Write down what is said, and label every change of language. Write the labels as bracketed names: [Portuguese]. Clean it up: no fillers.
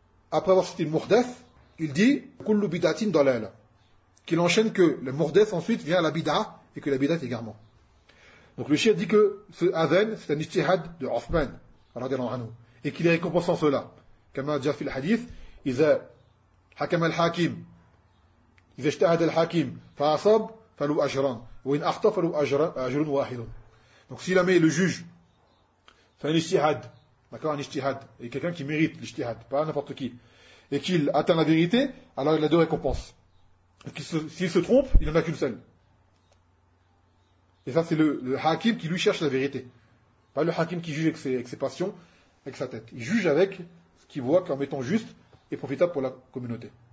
[French] Après avoir cité le muhdath, il dit [Arabic] Kullu bid'atin dalala. [French] Qu'il enchaîne que le muhdath ensuite vient à la bid'a et que la bid'a est également. Donc le shir dit que ce adhan, c'est un ijtihad de Othman, radiallahu anhu, et qu'il est récompensé en cela. Comme a déjà fait le hadith, [Arabic] Iza hakam al-hakim. إذا اجتهد الحاكم فأصاب فلو أجران وإن أخطأ فلو أجر واحد. [French] Donc si la main le juge fait un ijtihad, d'accord, un ijtihad, et quelqu'un qui mérite l'ijtihad, pas n'importe qui, et qu'il atteint la vérité, alors il a deux récompenses. S'il se trompe, il n'en a qu'une seule. Et ça, c'est le hakim qui lui cherche la vérité. Pas le hakim qui juge avec ses passions, avec sa tête. Il juge avec ce qu'il voit comme étant juste et profitable pour la communauté.